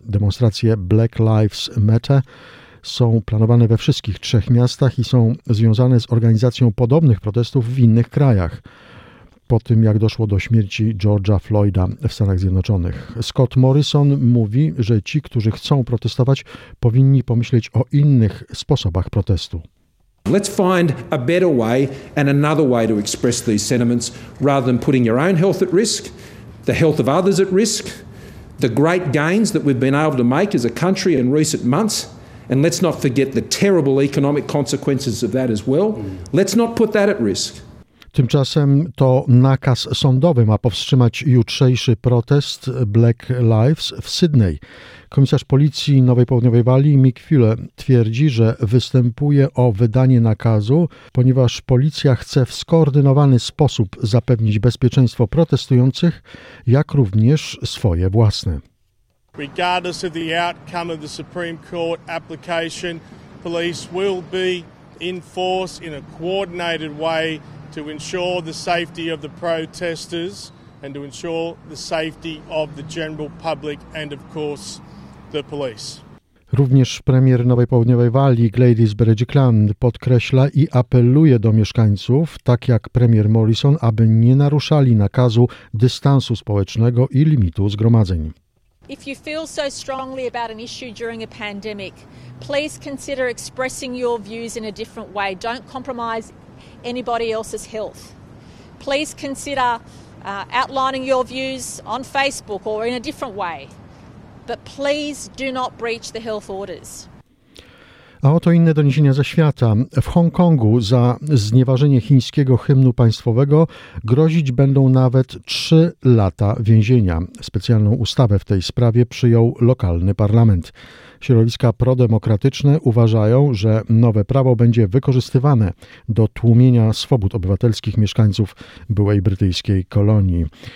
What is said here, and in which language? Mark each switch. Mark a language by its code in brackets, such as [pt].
[pl] Demonstracje Black Lives Matter są planowane we wszystkich trzech miastach i są związane z organizacją podobnych protestów w innych krajach po tym, jak doszło do śmierci George'a Floyda w Stanach Zjednoczonych. Scott Morrison mówi, że ci, którzy chcą protestować, powinni pomyśleć o innych sposobach protestu. [en] Let's find a better way and another way to express these sentiments rather than putting your own health at risk, the health of others at risk, the great gains that we've been able to make as a country in recent months. And let's not forget the terrible economic consequences of that as well. Let's not put that at risk. [pl] Tymczasem to nakaz sądowy ma powstrzymać jutrzejszy protest Black Lives w Sydney. Komisarz policji Nowej Południowej Walii Mick Fuller twierdzi, że występuje o wydanie nakazu, ponieważ policja chce w skoordynowany sposób zapewnić bezpieczeństwo protestujących, jak również swoje własne. [en] Regardless of the outcome of the Supreme Court application, police will be in force in a coordinated way to ensure the safety of the protesters and to ensure the safety of the general public and of course the police. [pl] Również premier Nowej Południowej Walii Gladys Berejiklian podkreśla i apeluje do mieszkańców, tak jak premier Morrison, aby nie naruszali nakazu dystansu społecznego i limitu zgromadzeń. [en] If you feel so strongly about an issue during a pandemic, please consider expressing your views in a different way. Don't compromise anybody else's health. Please consider outlining your views on Facebook or in a different way. But please do not breach the health orders. [pl] A oto inne doniesienia ze świata. W Hongkongu za znieważenie chińskiego hymnu państwowego grozić będą nawet 3 lata więzienia. Specjalną ustawę w tej sprawie przyjął lokalny parlament. Środowiska prodemokratyczne uważają, że nowe prawo będzie wykorzystywane do tłumienia swobód obywatelskich mieszkańców byłej brytyjskiej kolonii.